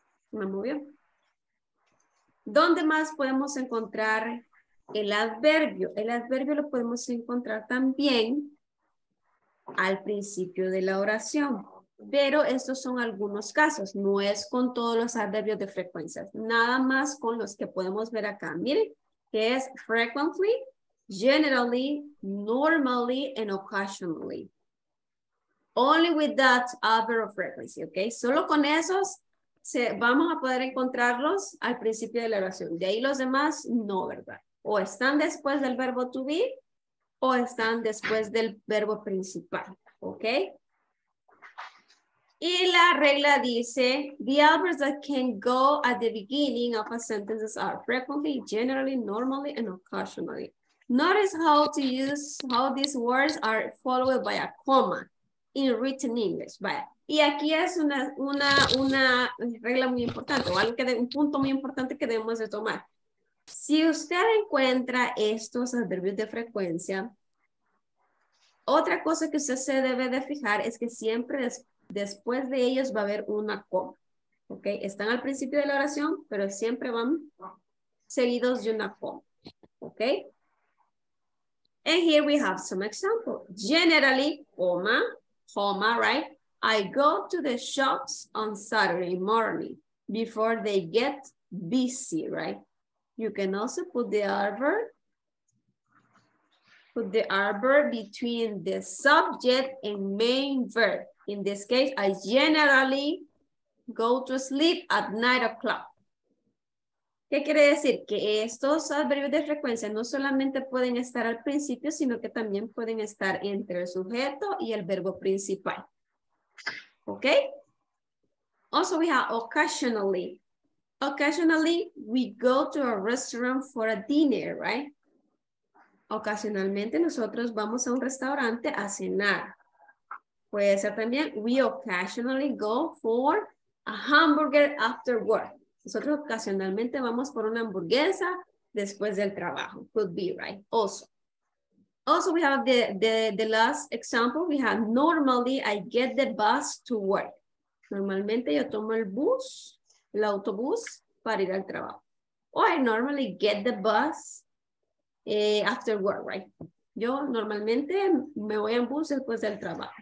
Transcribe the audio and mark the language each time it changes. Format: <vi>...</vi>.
<es>Me movió. ¿Dónde más podemos encontrar el adverbio? El adverbio lo podemos encontrar también al principio de la oración. Pero estos son algunos casos. No es con todos los adverbios de frecuencia. Nada más con los que podemos ver acá. Miren, que es</es> <en>frequently, generally, normally, and occasionally. Only with that adverb of frequency, ¿ok?</en> <es>Solo con esos vamos a poder encontrarlos al principio de la oración. De ahí los demás, no, ¿verdad? O están después del verbo to be, o están después del verbo principal, ¿ok? Y la regla dice,</es> <en>the adverbs that can go at the beginning of a sentence are frequently, generally, normally, and occasionally. Notice how these words are followed by a comma in written English,</en> <es>¿vale? Y aquí es una regla muy importante, o algo que un punto muy importante que debemos de tomar. Si usted encuentra estos adverbios de frecuencia, otra cosa que usted se debe de fijar es que siempre después de ellos va a haber una coma. ¿Okay? Están al principio de la oración, pero siempre van seguidos de una coma.</es> <en>¿Okay? And here we have some examples. Generally, coma, right? I go to the shops on Saturday morning before they get busy, right? You can also put the adverb between the subject and main verb. In this case, I generally go to sleep at 9 o'clock.</en> <es>¿Qué quiere decir? Que estos adverbios de frecuencia no solamente pueden estar al principio, sino que también pueden estar entre el sujeto y el verbo principal.</es> <en>Okay. Also, we have occasionally. Occasionally, we go to a restaurant for a dinner, right?</en> <es>Ocasionalmente, nosotros vamos a un restaurante a cenar. Puede ser también,</es> <en>we occasionally go for a hamburger after work.</en> <es>Nosotros ocasionalmente vamos por una hamburguesa después del trabajo.</es> <en>Could be, right? Also. Also, we have the last example. We have, normally, I get the bus to work.</en> <es>Normalmente, yo tomo el autobús, para ir al trabajo.</es> <en>Or I normally get the bus after work, right?</en> <es>Yo normalmente me voy en bus después del trabajo.</es>